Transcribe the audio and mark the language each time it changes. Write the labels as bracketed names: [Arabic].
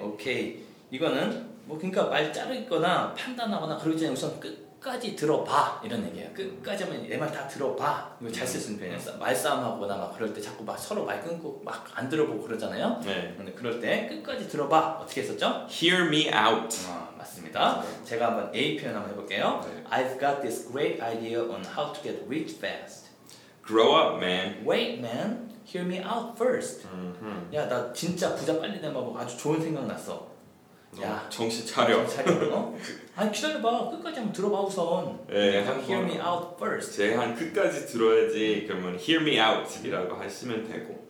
[Korean] 오케이, 이거는 뭐 그러니까 말 자르거나 판단하거나 그러기 전에 우선 끝 끝까지 들어봐 이런 얘기야. 끝까지 하면 내 말 다 들어봐. 이거 잘 쓸 수 있는 표현이야. 말싸움하거나 막 그럴 때 자꾸 막 서로 말 끊고 막 안 들어보고 그러잖아요. 네. 그럴 때 끝까지 들어봐. 어떻게 했었죠? [English] Hear me out. [Korean] 맞습니다. 제가 한번 A 표현 한번 해볼게요. 네. [English] I've got this great idea on how to get rich fast. Grow up, man. Wait, man. hear me out first. [Korean] 야, 나 진짜 부자 빨리 되면 아주 좋은 생각 났어. 야, 정신 차려. 어? 아니 기다려봐. 끝까지 한번 들어봐 우선. 예, 네, [English] hear me out first. [Korean] 제한 끝까지 들어야지. 그러면 [English] hear me out [Korean] 이라고 하시면 되고.